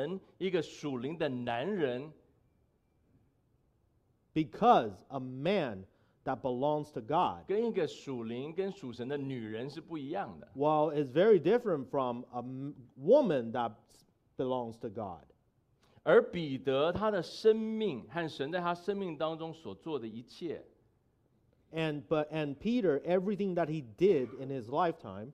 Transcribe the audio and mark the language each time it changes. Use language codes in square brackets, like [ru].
[zh] 因为一个属神，一个属灵的男人， [en] because a man that belongs to God, [zh] 跟一个属灵跟属神的女人是不一样的。 [en] Well, it's very different from a woman that belongs to God. [zh] 而彼得他的生命和神在他生命当中所做的一切， [en] and Peter, everything that he did in his lifetime,